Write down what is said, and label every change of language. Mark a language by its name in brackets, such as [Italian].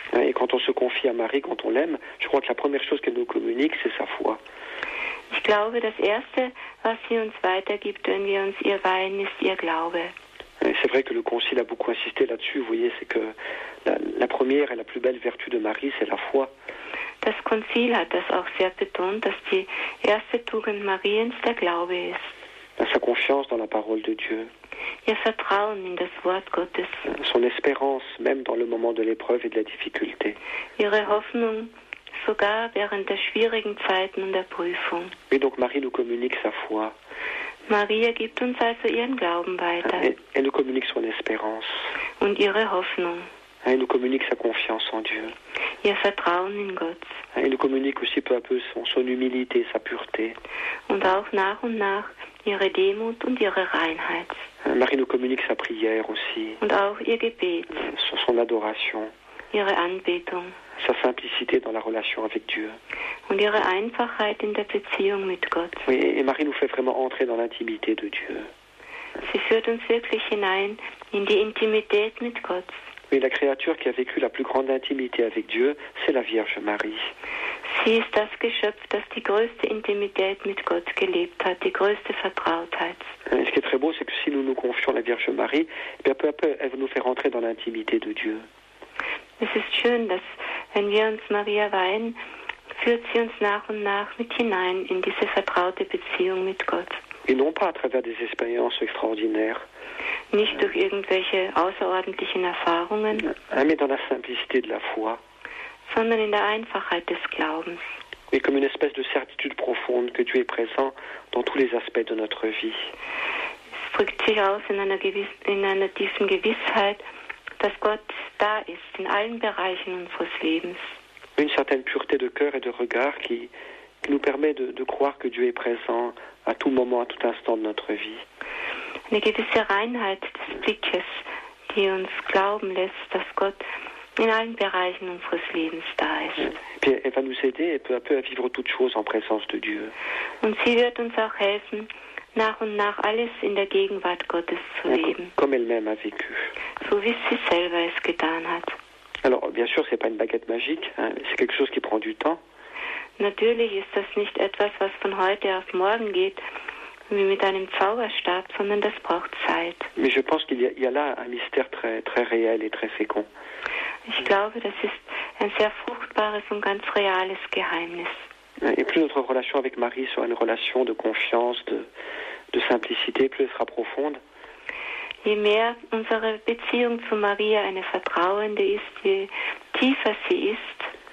[French] Et quand on se confie à Marie, quand on l'aime, je crois que la première chose qu'elle nous communique, c'est sa foi. [German] Ich glaube, das Erste, was sie uns weitergibt, wenn wir uns ihr weihen, ist ihr Glaube. [French] Et c'est vrai que le Concile a beaucoup insisté là-dessus, vous voyez, c'est que la première et la plus belle vertu de Marie, c'est la foi. [German] Das Konzil hat das auch sehr betont, dass die erste Tugend Mariens der Glaube ist. [French] Sa confiance dans la parole de Dieu. [German] Ihr Vertrauen in das Wort Gottes. [French] Son espérance, même dans le moment de l'épreuve et de la difficulté. [German] Ihre Hoffnung, sogar während der schwierigen Zeiten und der Prüfung. [French] Et donc Marie nous communique sa foi. [German] Maria gibt uns also ihren Glauben weiter. [French] Elle nous communique son espérance. [German] Und ihre Hoffnung. [French] Elle nous communique sa confiance en Dieu. [German] Ihr Vertrauen in Gott. [French] Elle nous communique aussi peu à peu son humilité, sa pureté. [German] Und auch nach und nach ihre Demut und ihre Reinheit. [French] Marie nous communique sa prière aussi. [German] Und auch ihr Gebet. [French] Son adoration. [German] Ihre Anbetung. [French] Sa simplicité dans la relation avec Dieu. [German] Und ihre Einfachheit in der Beziehung mit Gott. [French] Oui, et Marie nous fait vraiment entrer dans l'intimité de Dieu. [German] Sie führt uns wirklich hinein in die Intimität mit Gott. [French] Oui, la créature qui a vécu la plus grande intimité avec Dieu, c'est la Vierge Marie. [German] Sie ist das Geschöpf, das die größte Intimität mit Gott gelebt hat, die größte Vertrautheit. [French] Et ce qui est très beau, c'est que si nous nous confions la Vierge Marie, eh bien, peu à peu, elle va nous faire entrer dans l'intimité de Dieu. [German] Es ist schön, dass wenn wir uns Maria weihen, führt sie uns nach und nach mit hinein in diese vertraute Beziehung mit Gott. [French] Et non pas à travers des expériences extraordinaires. [German] Nicht durch irgendwelche außerordentlichen Erfahrungen. [French] Mais dans la simplicité de la foi. [German] Sondern in der Einfachheit des Glaubens. [French] Et comme une espèce de certitude profonde que Dieu est présent dans tous les aspects de notre vie. [German] Es drückt sich aus in einer tiefen Gewissheit, dass Gott da ist in allen Bereichen unseres Lebens. [French] Une certaine pureté de cœur et de regard qui nous permet de croire que Dieu est présent à tout moment, à tout instant de notre vie. [German] Eine gewisse Reinheit des Blickes, die uns glauben lässt, dass Gott in allen Bereichen unseres Lebens da ist. [French] Et puis elle va nous aider peu à peu à vivre toute chose en présence de Dieu. [German] Und sie wird uns auch helfen, nach und nach alles in der Gegenwart Gottes zu leben. [French] Comme elle-même a vécu. [German] So wie sie selber es getan hat. [French] Alors, bien sûr, c'est pas une baguette magique, hein. C'est quelque chose qui prend du temps. [German] Natürlich ist das nicht etwas, was von heute auf morgen geht, wie mit einem Zauberstab, sondern das braucht Zeit. [French] Mais je pense qu'il y a là un mystère très, très réel et très fécond. [German] Ich glaube, das ist ein sehr fruchtbares und ganz reales Geheimnis. [French] Et plus notre relation avec Marie sera une relation de confiance, de simplicité, plus elle sera profonde. [German] Je mehr unsere Beziehung zu Maria eine vertrauende ist, je tiefer sie ist.